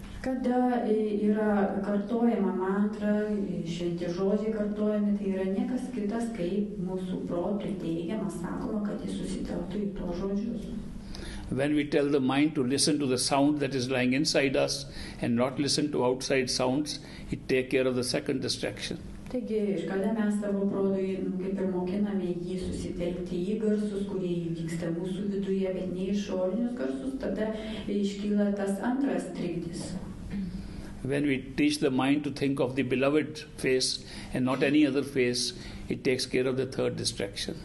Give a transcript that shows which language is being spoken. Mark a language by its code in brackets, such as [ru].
[lt] Kada yra kartojama mantra, šventi žodžiai kartojami, tai yra niekas kitas, kaip mūsų protui teigiama, sakoma, kad jis susitelktų į tuos žodžius. [en] When we tell the mind to listen to the sound that is lying inside us and not listen to outside sounds, it takes care of the second distraction. [lt] Taigi, kada mes savo protui, kaip ir mokiname jį susitelkti į garsus, kurie įvyksta mūsų viduje, bet ne išorinius garsus, tada iškyla tas antras trikdis. [en] When we teach the mind to think of the beloved face and not any other face, it takes care of the third distraction.